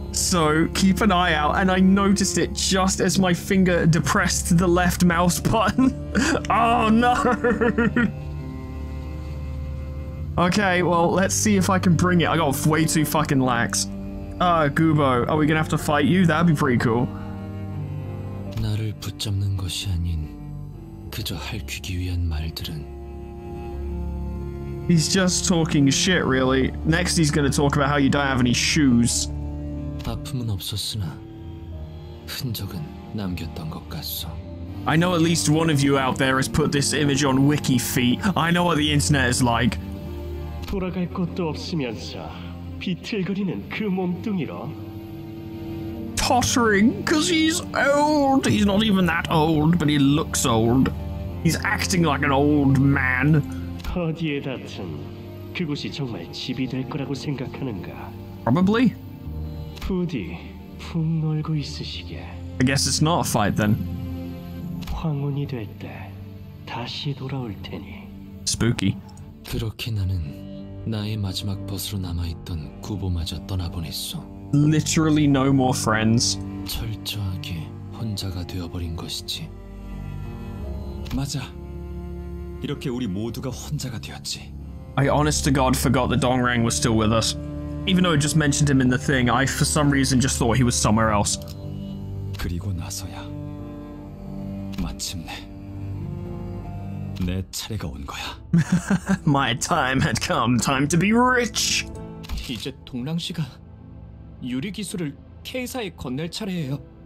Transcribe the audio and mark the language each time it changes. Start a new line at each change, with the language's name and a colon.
English: So keep an eye out, and I noticed it just as my finger depressed the left mouse button. Oh no! Okay, well, let's see if I can bring it. I got way too fucking lax. Gubo, are we gonna have to fight you? That'd be pretty cool.
Korean: 나를 붙잡는 것이 아닌 그저 할퀴기 위한 말들은.
English: He's just talking shit, really. Next, he's gonna talk about how you don't have any shoes.
Korean: 아픔은 없었으나 흔적은 남겼던 것 같소.
English: I know at least one of you out there has put this image on Wiki Feet. I know what the internet is like.
Korean: 돌아갈 곳도 없으면서 비틀거리는 그 몸뚱이로.
English: Tottering, because he's old. He's not even that old, but he looks old. He's acting like an old man.
Korean: 어디에 닿든 그곳이 정말 집이 될 거라고 생각하는가?
English: Probably.
Korean: 부디 품 놀고 있으시게.
English: I guess it's not a fight then.
Korean: 황혼이 될 때 다시 돌아올 테니.
English: Spooky.
Korean: 그렇게 나는 나의 마지막 버스로 남아있던 구보마저 떠나보냈소.
English: Literally no more friends.
Korean: 철저하게 혼자가 되어버린 것이지. 맞아. 이렇게 우리 모두가 혼자가 되었지.
English: I honest to God forgot that Dong Rang was still with us. Even though it just mentioned him in the thing, I for some reason just thought he was somewhere else.
Korean: 그리고 나서야 마침내 내 차례가 온 거야.
English: My time had come. Time to be rich.
Korean: 이제 동랑 씨가 유리 기술을 K사에 건넬 차례예요.